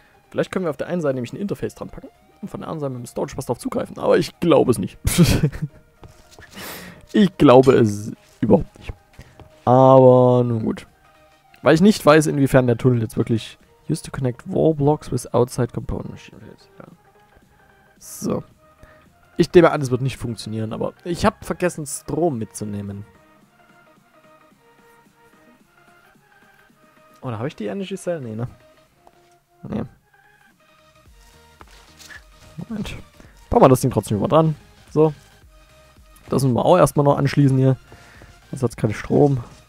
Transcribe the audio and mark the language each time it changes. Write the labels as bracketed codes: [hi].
[de] Vielleicht können wir auf der einen Seite nämlich ein Interface dran packen und von der anderen Seite mit dem Storage Bus drauf zugreifen. Aber ich glaube es nicht. Ich glaube es überhaupt nicht. Aber nun gut. Weil ich nicht weiß, inwiefern der Tunnel jetzt wirklich. [en] Used to connect wall blocks with outside component machines. [de] Ja. So. Ich nehme an, es wird nicht funktionieren, aber ich habe vergessen, Strom mitzunehmen. Oder habe ich die Energy Cell? Nee, ne? Nee. Moment. Bauen wir das Ding trotzdem mal dran. So. Das müssen wir auch erstmal noch anschließen hier. Das hat keinen Strom.